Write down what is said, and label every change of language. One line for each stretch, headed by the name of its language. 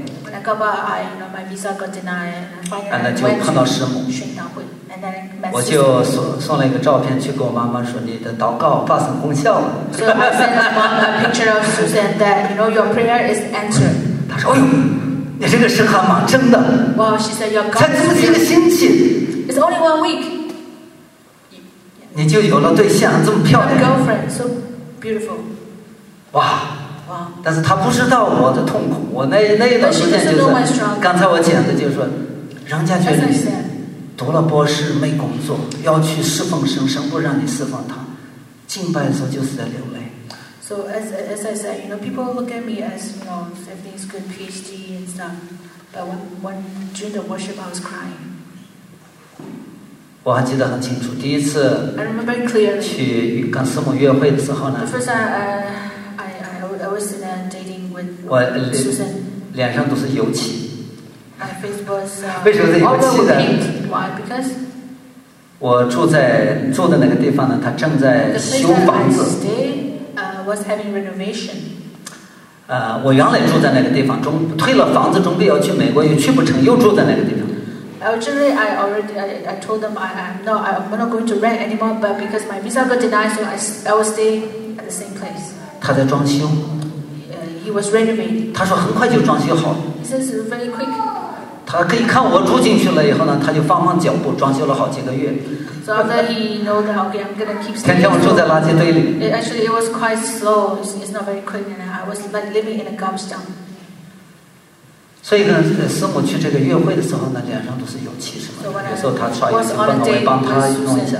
English: When I got back, you know, my visa got denied, and finally,
Chinese: 那就碰到师母。宣道会。我就送了一个照片去给我妈妈说，你的祷告发生功效了。
English: So I sent my mom a picture of Susan that you know your prayer is answered.
Chinese: 她说，哎呦，你这个事还蛮真的。
English: Well, she said your God.
Chinese: 才几个星期。
English: It's only 1 week.
Chinese: 你就有了对象，这么漂亮。
English: Your girlfriend so beautiful. 哇。哇。
Chinese: 但是她不知道我的痛苦，我那一段时间就是，刚才我讲的就是说，人家觉得。读了博士没工作，要去侍奉神，神不让你侍奉他，敬拜的时候就是在流泪。
English: So as I said, you know, people look at me as you know, everything's good, PhD and stuff. But when during the worship, I was crying.
Chinese: 我还记得很清楚，第一次
English: I remember clearly
Chinese: 去跟师母约会的时候呢。
English: The first time I was in a dating with Susan.
Chinese: 我脸上都是油漆。
English: My face
Chinese: was, 为什么在油漆的？
English: Why? Because
Chinese: 我住的那个地方呢，他正在修房子。
English: The place that I stayed, was having renovation.
Chinese: 我原来住在那个地方，退了房子，准备要去美国，又去不成，又住在那个地方。
English: I told them I'm not going to rent anymore, but because my visa got denied, so I will stay at the same place.
Chinese: 他在装修。
English: He was renovating.
Chinese: 他说很快就装修好了。
English: He says it's very quick.
Chinese: 他可以看我住进去了以后呢，他就放慢脚步，装修了好几个月。
English: So after he know that okay, I'm gonna keep.
Chinese: 天天我住在垃圾堆里。
English: Actually, it was quite slow. It's not very clean, and I was like living in a garbage dump.
Chinese: 所以呢，师母去这个约会的时候呢，脸上都是油漆什么的。有时候他刷一次，帮我帮他弄一下。